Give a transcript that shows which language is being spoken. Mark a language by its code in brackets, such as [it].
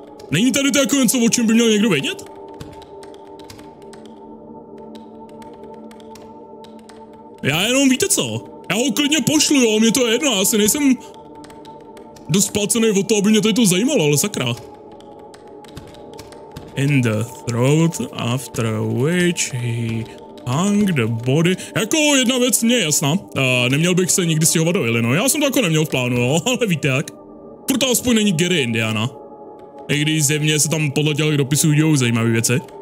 [cs] Není tady to jako něco, o čem by měl někdo vědět? Já jenom víte co? Já ho klidně pošlu, jo, mě to je jedno, já si nejsem dost placený o to, aby mě tady to zajímalo, ale sakra. [en] In the throat, after which he hung the body. [cs] Jako jedna věc mě je jasná, neměl bych se nikdy stěhovat do Illinois, já jsem to jako neměl v plánu, jo, ale víte jak. Proto aspoň není Gary Indiana. I když zjevně se tam podle těch dopisů dějou zajímavé věci.